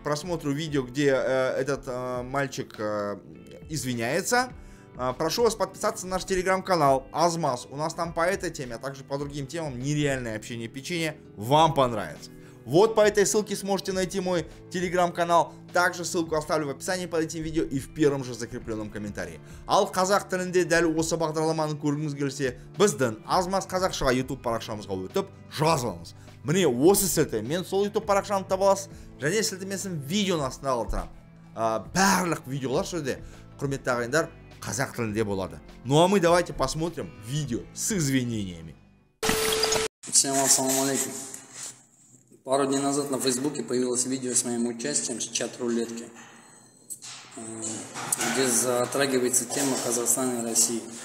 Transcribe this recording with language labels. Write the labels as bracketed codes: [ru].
[ru] просмотру видео, где этот мальчик извиняется. Прошу вас подписаться на наш телеграм-канал Азмаз. У нас там по этой теме, а также по другим темам нереальное общение печенье. Вам понравится. Вот по этой ссылке сможете найти мой телеграм-канал. Также ссылку оставлю в описании под этим видео и в первом же закрепленном комментарии. [kk] Ал қазақ тілінде дәл осы бағдарламаны көргіңіз келсе, біздің Азмаз қазақшаға YouTube парақшамызға өтіп жазыңыз. Міне осы сілтемен мен сол YouTube парақшамды табасыз. Және сілтемесін видеоның астына қалдырам. Барлық видеолар сол жерде, құрметті ағайындар, қазақ тілінде болады. [ru] Ну а мы давайте посмотрим видео с извинениями. Всем ассаламу алейкум. Пару дней назад на Фейсбуке появилось видео с моим участием в чат-рулетке, где затрагивается тема Казахстана и России.